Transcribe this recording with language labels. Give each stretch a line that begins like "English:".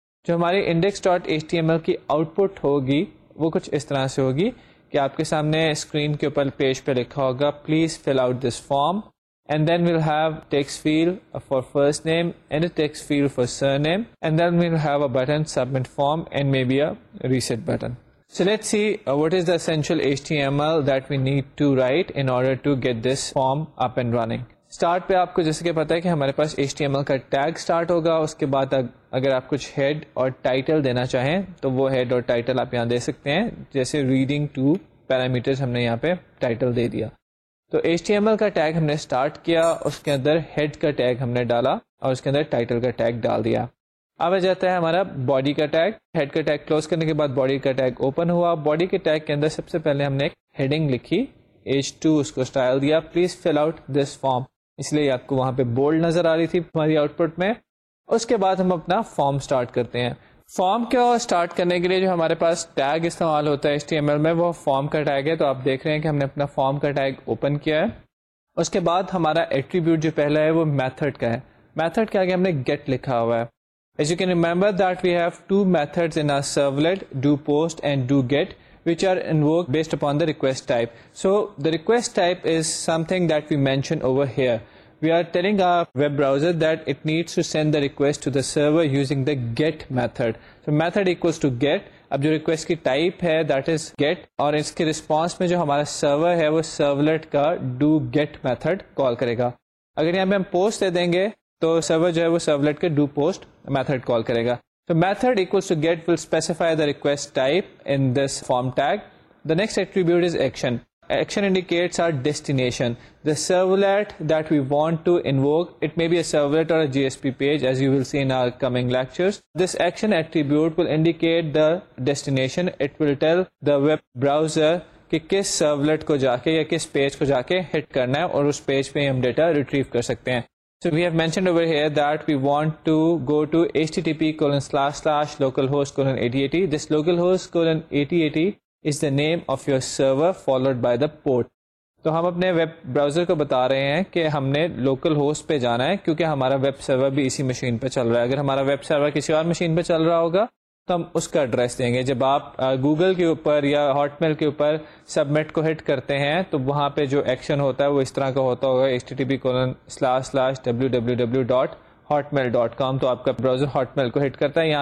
Urdu: جو ہماری index dot H T M L کی آؤٹ پٹ ہوگی وہ کچھ اس طرح سے ہوگی کہ آپ کے سامنے اسکرین کے اوپر پیج پہ لکھا ہوگا
English: Please fill out this form and then we'll have text field for first name and text field for surname and then we'll have a button submit form and maybe a reset button. So let's see what is the essential HTML that we need to write in order to get this form up and running.
Urdu: Start پہ آپ کو جیسے کہ پتا ہے کہ ہمارے پاس HTML کا ٹیگ اسٹارٹ ہوگا, اس کے بعد اگر آپ کچھ ہیڈ اور ٹائٹل دینا چاہیں تو وہ ہیڈ اور ٹائٹل آپ یہاں دے سکتے ہیں. جیسے ریڈنگ ٹو پیرامیٹر ہم نے یہاں پہ ٹائٹل دے دیا. تو HTML کا ٹیگ ہم نے اسٹارٹ کیا, اس کے اندر ہیڈ کا ٹیگ ہم نے ڈالا اور اس کے اندر ٹائٹل کا ٹیگ ڈال دیا. اب آ جاتا ہے ہمارا باڈی کا ٹیگ. ہیڈ کا ٹیگ کلوز کرنے کے بعد باڈی کا ٹیگ اوپن ہوا. باڈی کے ٹیگ کے اندر سب سے پہلے ہم نے ایک ہیڈنگ لکھی H2, اس کو سٹائل دیا
English: please fill out this form,
Urdu: اس لیے آپ کو وہاں پہ بولڈ نظر آ رہی تھی ہماری آؤٹ پٹ میں. اس کے بعد ہم اپنا فارم سٹارٹ کرتے ہیں. فارم کو سٹارٹ کرنے کے لیے جو ہمارے پاس ٹیگ استعمال ہوتا ہے HTML میں وہ فارم کا ٹیگ ہے. تو آپ دیکھ رہے ہیں کہ ہم نے اپنا فارم کا ٹیگ اوپن کیا ہے. اس کے بعد ہمارا ایٹریبیوٹ جو پہلا ہے وہ میتھڈ کا ہے. میتھڈ کے آگے ہم نے گیٹ لکھا ہوا ہے.
English: As you can remember that we have two methods in our servlet, doPost and doGet, which are invoked based upon the request type. So the request type is something that we mention over here. We are telling our web browser that it needs to send the request to the server using the GET method. So method equals to GET.
Urdu: اب جو request کی type ہے
English: that is get,
Urdu: اور اس کے response میں جو ہمارا سرور ہے وہ سرولیٹ کا ڈو گیٹ میتھڈ کال کرے گا. اگر یہاں پہ ہم پوسٹ دے دیں گے تو سرور جو ہے وہ سرولیٹ کے ڈو پوسٹ میتھڈ کال کرے گا.
English: تو method equals to get will specify the request type in this form tag. The next attribute is action. Action indicates our destination. The servlet that we want to invoke, it may be a servlet or J S P page as you will see in our coming lectures. This action attribute will indicate the destination. It will tell the web browser
Urdu: کہ کس servlet کو جا کے یا کس page کو جا کے ہٹ کرنا ہے اور اس پیج پہ ہم ڈیٹا ریٹریو کر سکتے ہیں.
English: So we have mentioned over here that we want to go to http://localhost:8080. This localhost:8080 is the name of your server followed by the port.
Urdu: So ہم اپنے ویب براؤزر کو بتا رہے ہیں کہ ہم نے لوکل ہوسٹ پہ جانا ہے کیونکہ ہمارا ویب سرور بھی اسی مشین پہ چل رہا ہے. اگر ہمارا ویب سرور کسی اور مشین پہ چل رہا ہوگا تو ہم اس کا ایڈریس دیں گے. جب آپ گوگل کے اوپر یا ہاٹ میل کے اوپر سبمٹ کو ہٹ کرتے ہیں تو وہاں پہ جو ایکشن ہوتا ہے وہ اس طرح کا ہوتا ہوگا http://www.hotmail.com. تو آپ کا براؤزر ہاٹ میل کو ہٹ کرتا ہے.